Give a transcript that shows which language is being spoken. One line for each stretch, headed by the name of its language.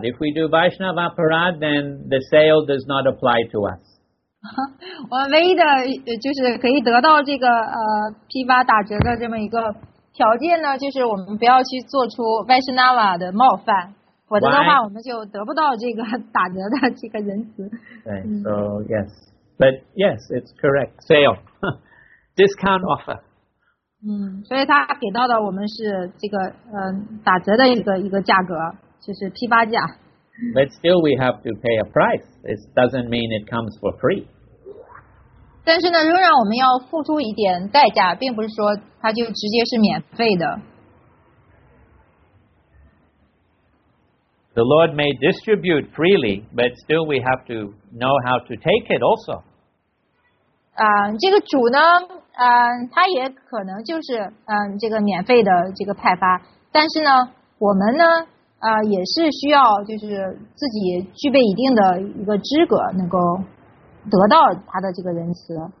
English: If we do Vaishnav Aparad, then the sale does not apply to us.
Chinese: 我们唯一的就是可以得到这个批发打折的这么一个条件呢，就是我们不要去做出 Vaishnava 的冒犯，否则的话我们就得不到这个打折的这个仁慈。
English: 对 ，So yes, but yes, it's correct. Sale, discount offer.
Chinese: 所以他给到的我们是这个打折的一个价格，就是批发价。
English: But still, we have to pay a price. This doesn't mean it comes for free.
Chinese: 但是呢，仍然我们要付出一点代价，并不是说它就直接是免费的。
English: The Lord may distribute freely, but still we have to know how to take it also.
Chinese: 这个主呢，他也可能就是这个免费的这个派发，但是呢，我们呢。也是需要就是自己具备一定的一个资格能够得到他的这个仁慈。